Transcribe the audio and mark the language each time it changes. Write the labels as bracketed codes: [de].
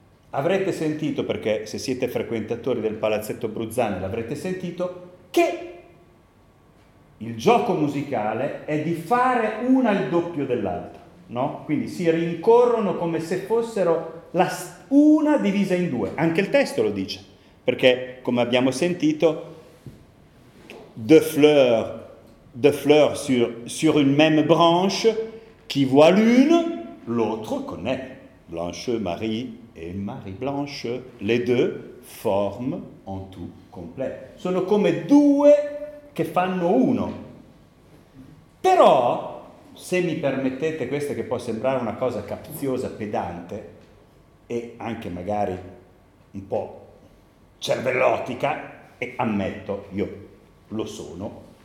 [it] Avrete sentito, perché se siete frequentatori del Palazzetto Bruzzani l'avrete sentito, che il gioco musicale è di fare una il doppio dell'altra, no? Quindi si rincorrono come se fossero una divisa in due. Anche il testo lo dice, perché come abbiamo sentito, [fr] deux fleurs sur une même branche, chi voit l'une, l'autre connaît. Blanche Marie et Marie Blanche, les deux forment en tout complet. [it] Sono come due che fanno uno. Però, se mi permettete, questa che può sembrare una cosa capziosa, pedante e anche magari un po' cervellotica, e ammetto, io lo sono,